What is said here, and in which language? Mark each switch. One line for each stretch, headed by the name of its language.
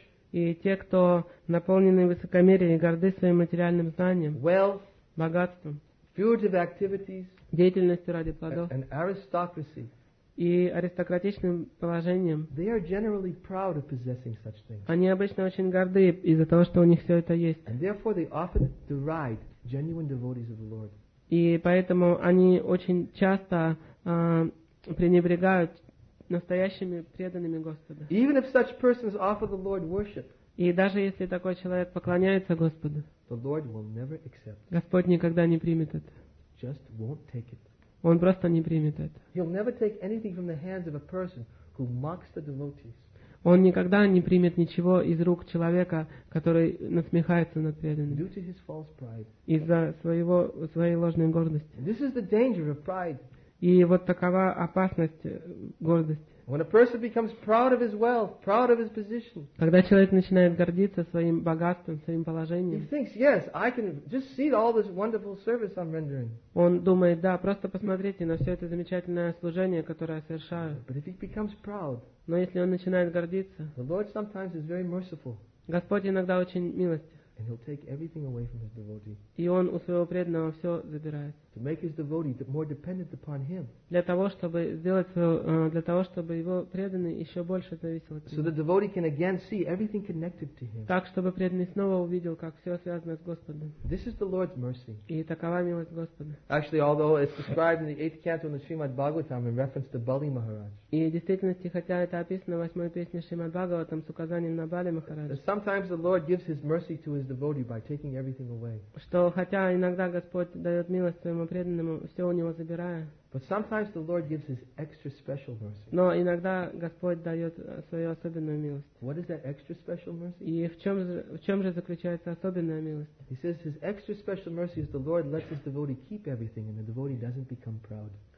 Russian: И те, кто наполнены высокомерием и горды своим материальным знанием, богатством,
English: fugitive activities,
Russian: деятельностью ради плодов,
English: an aristocracy,
Russian: и аристократичным положением,
English: they are generally proud of possessing such things.
Russian: Они обычно очень горды из-за того, что у них все это есть.
English: And therefore they often deride genuine devotees of the Lord.
Russian: И поэтому они очень часто пренебрегают настоящими преданными Господа.
English: Even if such persons offer the Lord worship,
Russian: и даже если такой человек поклоняется Господу,
English: the Lord will never accept.
Russian: Господь никогда не примет это.
English: Just won't take it.
Russian: Он просто не примет это.
English: He'll never take anything from the hands of a person who mocks the devotees.
Russian: Он никогда не примет ничего из рук человека, который насмехается над преданным.
English: Due to his false pride.
Russian: Из-за своей ложной гордости.
English: This is the danger of pride.
Russian: И вот такова опасность гордости.
English: When a person becomes proud of his wealth, proud of his position,
Russian: когда человек начинает гордиться своим богатством, своим положением,
English: he thinks, yes, I can just see all this wonderful service I'm rendering.
Russian: Он думает, да, просто посмотрите на все это замечательное служение, которое я совершаю.
English: But if he becomes proud,
Russian: но если он начинает гордиться,
English: the Lord sometimes is very merciful.
Russian: Господь иногда очень милостив.
English: And he'll take everything away from his devotee.
Russian: И он у своего преданного все забирает.
English: To make his devotee more dependent upon him.
Russian: Для того, чтобы сделать для того, чтобы его преданный еще больше зависел от него.
English: So the devotee can again see everything connected to him.
Russian: Так, чтобы преданный снова увидел, как все связано с Господом.
English: This is the Lord's mercy.
Russian: И такова милость Господа.
English: Actually, although it's described in the eighth canto of the Srimad Bhagavatam in reference to Bali Maharaj.
Russian: И в действительности, хотя это описано в восьмой песне Шримад Бхагаватам с указанием на Бали Махараджа.
English: Sometimes the Lord gives his mercy to his devotee by taking everything away.
Russian: Что хотя иногда Господь дает милость своему преданному, все у него забирая.
English: But sometimes the Lord gives his extra special mercy.
Russian: Но иногда Господь дает свою особенную милость.
English: What is that extra special mercy?
Russian: И в чем же заключается особенная милость?
English: He says his extra special mercy is the Lord lets his devotee keep everything and the devotee doesn't become proud.